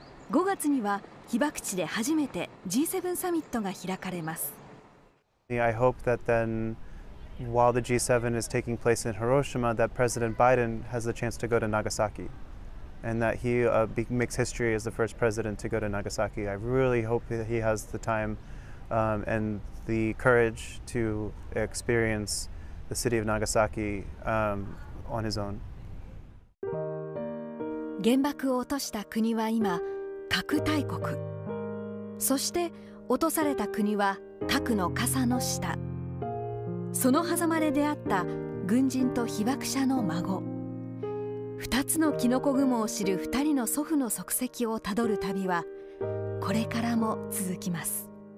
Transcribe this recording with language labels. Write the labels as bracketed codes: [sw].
[ja] 5月には被爆地で初めて G7 サミットが開かれます。 [en] I hope that then, while the G7 is taking place in Hiroshima, that President Biden has the chance to go to Nagasaki, and that he makes history as the first president to go to Nagasaki. I really hope that he has the time, and the courage to experience the city of Nagasaki, on his own. [ja] 原爆を落とした国は今、核大国。そして落とされた国は核の傘の下。その狭間で出会った軍人と被爆者の孫。二つのキノコ雲を知る二人の祖父の足跡をたどる旅はこれからも続きます。